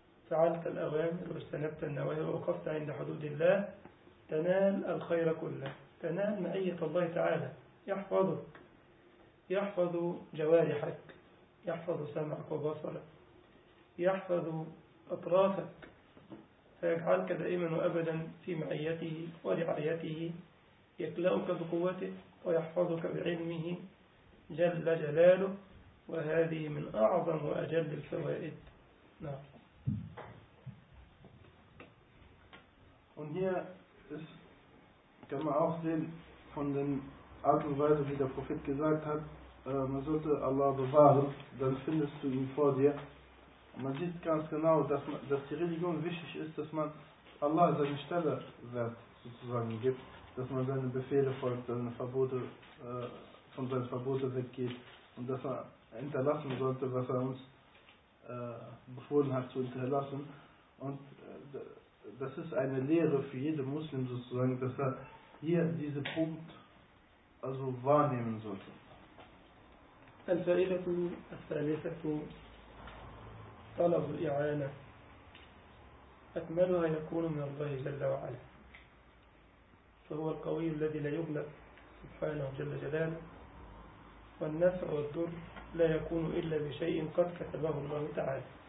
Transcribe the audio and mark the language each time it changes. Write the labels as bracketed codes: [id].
[ar] فعلت الأوامر واجتنبت النواهي ووقفت عند حدود الله، تنال الخير كله، تنال معية الله تعالى، يحفظك، يحفظ جوارحك، يحفظ سمعك وبصرك، يحفظ أطرافك، فيجعلك دائما وأبدا في معيته ورعايته، يكلأك بقوته ويحفظك بعلمه جل جلاله، وهذه من أعظم وأجل الفوائد. نعم. [de] Und hier ist, kann man auch sehen, von den Art und Weise, wie der Prophet gesagt hat, man sollte Allah bewahren, dann findest du ihn vor dir. Man sieht ganz genau, dass die Religion wichtig ist, dass man Allah seine Stelle wert sozusagen gibt, dass man seine Befehle folgt, seine Verbote, von seinen Verboten weggeht und dass er hinterlassen sollte, was er uns befohlen hat zu hinterlassen. Und das ist eine Lehre für jeden Muslim sozusagen, dass er hier diesen Punkt also wahrnehmen sollte. [ar] الفائدة الثالثة طلب الإعانة، أكملها يكون من الله جل وعلا، فهو القوي الذي لا يبلغ سبحانه جل جلاله، والنفع والضر لا يكون إلا بشيء قد كتبه الله تعالى.